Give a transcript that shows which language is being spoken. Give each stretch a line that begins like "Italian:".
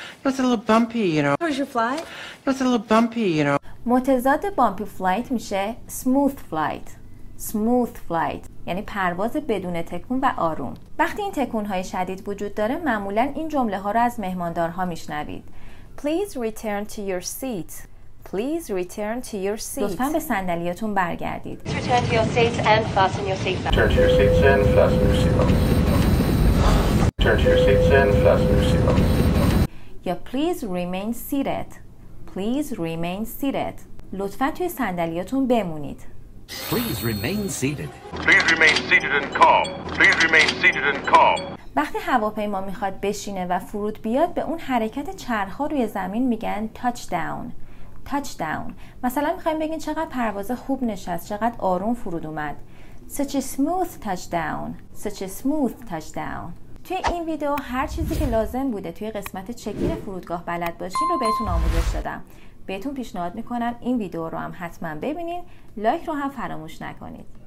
English: It was a little bumpy, you know. How was your flight? It was a little bumpy, you know.
Persian: متضاد bumpy flight میشه smooth flight.
English: Smooth flight.
Persian: یعنی پرواز بدون تکون و آروم. وقتی این تکونهای شدید وجود داره معمولا این جمله ها رو از مهماندارها میشنوید.
English: Please return to your seat. Please return to your seat.
Persian: لطفاً به صندلیاتون برگردید.
English: Return to your seat and fasten your seat belt. Return to your seat and fasten your seat belt. Return to your seat and fasten your seat belt. Yeah, please remain seated. Please remain seated.
Persian: لطفاً توی صندلیاتون بمونید.
English: Please remain seated. Please remain seated and calm. Please remain seated and calm.
Persian: وقتی هواپیما میخواد بشینه و فرود بیاد به اون حرکت چرخا روی زمین میگن touchdown.
English: Touchdown.
Persian: مثلا میخواییم بگین چقدر پرواز خوب نشست، چقدر آروم فرود اومد.
English: Such a smooth touchdown. Such a smooth touchdown.
Persian: توی این ویدیو هر چیزی که لازم بوده توی قسمت چکین فرودگاه بلد باشین رو بهتون آموزش دادم. بهتون پیشنهاد میکنم این ویدیو رو هم حتما ببینین. لایک رو هم فراموش نکنید.